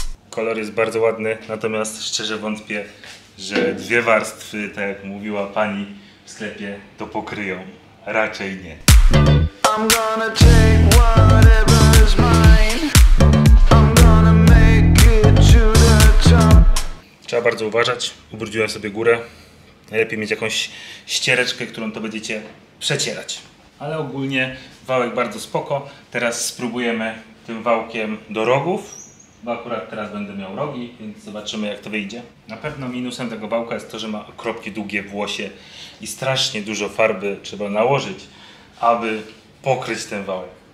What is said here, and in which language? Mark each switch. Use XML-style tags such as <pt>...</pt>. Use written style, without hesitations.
<pl>Kolor jest bardzo ładny, natomiast szczerze wątpię, że dwie warstwy, tak jak mówiła pani w sklepie, to pokryją. Raczej nie.</pl> <en>I'm gonna take whatever is mine. I'm gonna make it to the top.</en> <pl>Trzeba bardzo uważać. Ubrudziłem sobie górę. Najlepiej mieć jakąś ściereczkę, którą to będziecie przecierać. Ale ogólnie wałek bardzo spoko. Teraz spróbujemy tym wałkiem do rogów. Bo akurat teraz będę miał rogi, więc zobaczymy, jak to wyjdzie. Na pewno minusem tego wałka jest to, że ma okropnie długie włosie i strasznie dużo farby trzeba nałożyć, aby pokryć ten wałek.</pl>